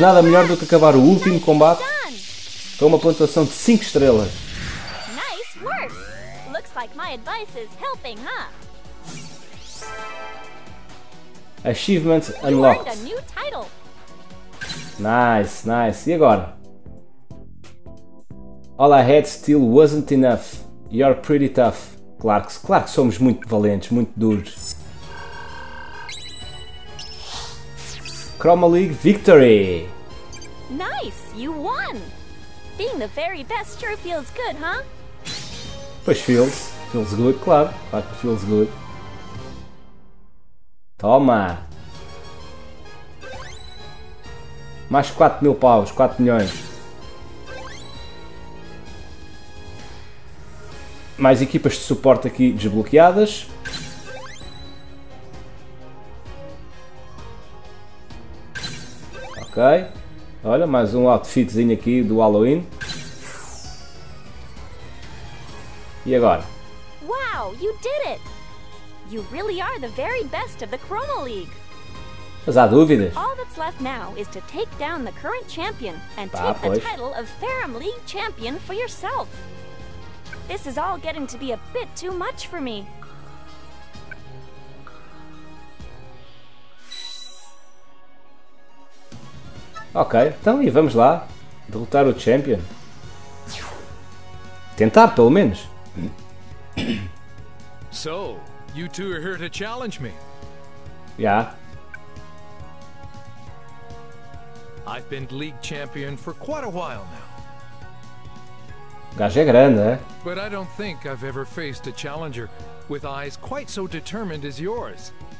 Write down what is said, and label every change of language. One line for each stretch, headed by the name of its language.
Portuguese: Nada melhor do que acabar o último combate com uma pontuação de 5 estrelas.
English: Nice work! Looks like my advice is helping, huh? Achievement unlocked. Nice, nice.
Portuguese: E agora?
English: All I had still wasn't enough. You're pretty tough.
Portuguese: Claro que somos muito valentes, muito duros.
English: Chroma League victory. Nice, you won. Being the very best sure feels good, huh?
Portuguese: Pois
English: feels. Feels good,
Portuguese: claro. Claro que
English: feels good.
Portuguese: Toma. Mais 4 mil paus, 4 milhões. Mais equipas de suporte aqui desbloqueadas. Ok. Olha, mais um outfitzinho aqui do Halloween. E agora? Uau, você fez! Você realmente é o melhor da Chroma League! Mas há dúvidas.
English: All that's left now is to take down the current champion and take the title of Faram League champion for yourself. This is all getting to be a bit too much for me.
Portuguese: Ok, então e vamos lá derrotar o champion. Tentar pelo menos.
English: So, you two are here to challenge me. Yeah. I've been league champion for quite a while now.
Portuguese: O gajo é grande, é?
English: But I don't think I've ever faced a challenger with eyes quite so determined as yours.